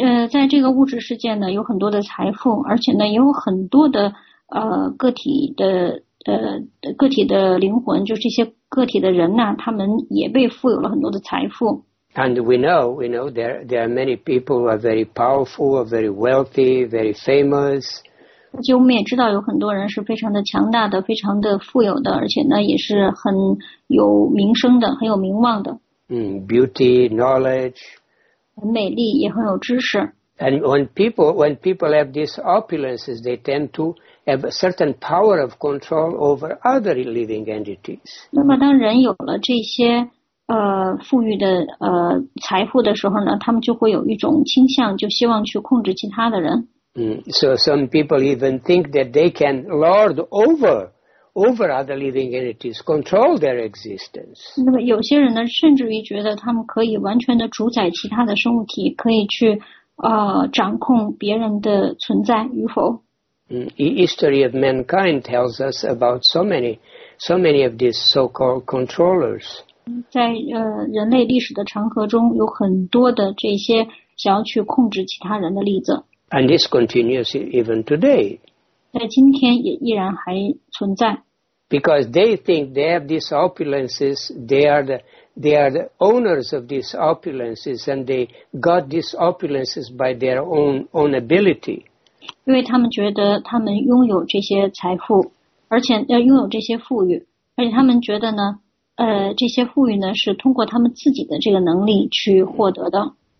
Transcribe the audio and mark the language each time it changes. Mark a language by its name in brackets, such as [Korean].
[Chinese] 在这个物质世界呢，有很多的财富，而且呢，也有很多的个体的灵魂，就是这些个体的人呢，他们也被赋予了很多的财富。 [English] And we know there are many people who are very powerful, very wealthy, very famous. [Chinese] 而且我们也知道有很多人是非常的强大的，非常的富有的，而且呢，也是很有名声的，很有名望的。 [English] Beauty, knowledge. [Chinese] 很美丽，也很有知识。 [English] And when people have these opulences, they tend to have a certain power of control over other living entities. [Chinese] 那么，当人有了这些富裕的财富的时候呢，他们就会有一种倾向，就希望去控制其他的人。 [English] So some people even think that they can lord over other living entities, control their existence. [Chinese] 那么有些人呢，甚至于觉得他们可以完全的主宰其他的生物体，可以去掌控别人的存在与否。 [English] History of mankind tells us about so many of these so-called controllers. [Chinese] 在人类历史的长河中，有很多的这些想要去控制其他人的例子。 [English] And this continues even today. [Chinese] 在今天也依然还存在。 [English] Because they think they have these opulences, they are the owners of these opulences, and they got these opulences by their own ability. [Chinese] 因为他们觉得他们拥有这些财富，而且拥有这些富裕，而且他们觉得呢，这些富裕呢是通过他们自己的这个能力去获得的。